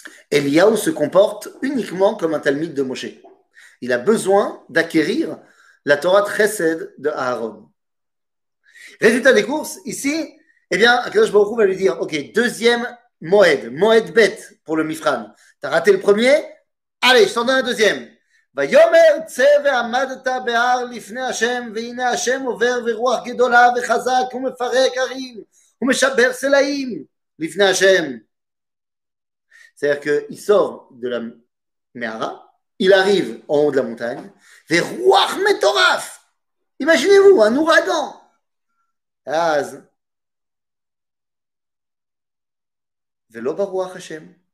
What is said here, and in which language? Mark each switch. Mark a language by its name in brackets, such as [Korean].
[French] Eliyahu se comporte uniquement comme un talmide de Moshe. Il a besoin d'acquérir la Torah Tresed de Aaron. Résultat des courses, ici, eh bien, Akadosh Baruch Hu va lui dire, ok, deuxième Moed, Moed Bet pour le Mifran. T'as raté le premier? Allez, je t'en donne un deuxième. [Hebrew] ויאמר צא ועמדת בהר לפני השם והנה השם עובר ורוח גדולה וחזק ומפרק הרים ומשבר סלעים לפני השם. [French] C'est-à-dire qu'il sort de la Mehara, il arrive en haut de la montagne, [Hebrew] ורוח מטורף. [French] Imaginez-vous, un ouragan. [Hebrew] אז, ולא ברוח השם.